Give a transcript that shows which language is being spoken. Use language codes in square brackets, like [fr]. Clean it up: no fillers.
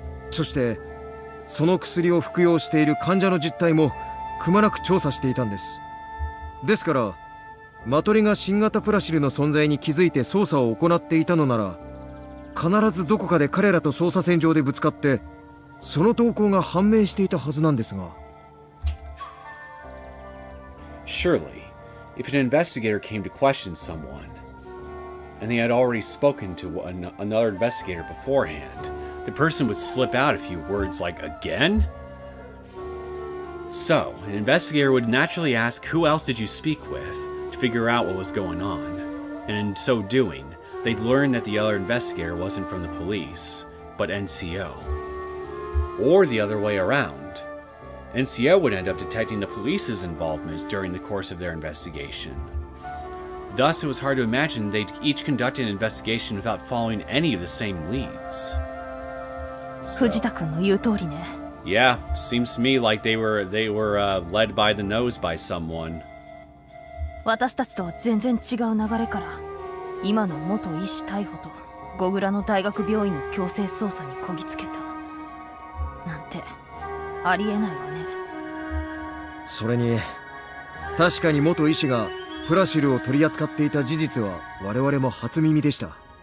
[ja] そして、その薬を服用している患者の実態もくまなく調査していたんです。ですから、マトリが新型プラシルの存在に気づいて捜査を行っていたのなら、必ずどこかで彼らと捜査線上でぶつかって、その動向が判明していたはずなんですが。 [en] Surely, if an investigator came to question someone, and they had already spoken to another investigator beforehand, the person would slip out a few words like, again? So, an investigator would naturally ask, who else did you speak with, to figure out what was going on. And in so doing, they'd learn that the other investigator wasn't from the police, but NCO. Or the other way around. NCO would end up detecting the police's involvement during the course of their investigation. Thus, it was hard to imagine they'd each conduct an investigation without following any of the same leads. [ja] Fujita-kun の言う通りね。 [en] Yeah, seems to me like they were led by the nose by someone. [ja] 私たちとは全然違う流れから、今の元医師逮捕と、ゴグラの大学病院の強制捜査にこぎつけた。なんて、ありえないわね。それに、確かに元医師がプラシルを取り扱っていた事実は我々も初耳でした。